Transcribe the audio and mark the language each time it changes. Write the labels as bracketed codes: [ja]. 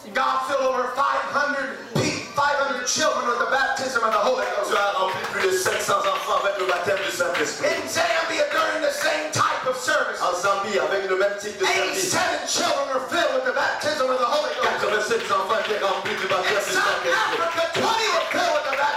[en] God filled over 500 children with the baptism of the Holy Ghost. [fr] Tu as rempli plus de 500 enfants avec le baptême du Saint-Esprit. [en] In Zambia during the same type of service, [fr] en Zambie avec le même type de service, [en] 87 children were filled with the baptism of the Holy Ghost. [fr] 87 enfants étaient remplis du baptême du Saint-Esprit.